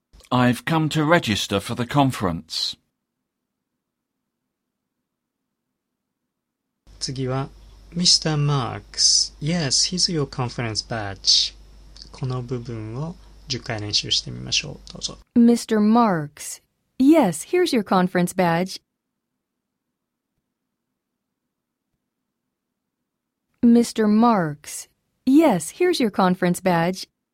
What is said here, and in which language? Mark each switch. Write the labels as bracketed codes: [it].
[en] I've come to register for the conference. [ja] 次は、Mr. Marks. [en] Yes, here's your conference badge. [ja] この部分を10回練習してみましょう。どうぞ。 [en] Mr. Marks. Yes, here's your conference badge. Mr. Marks. Yes, here's your conference badge.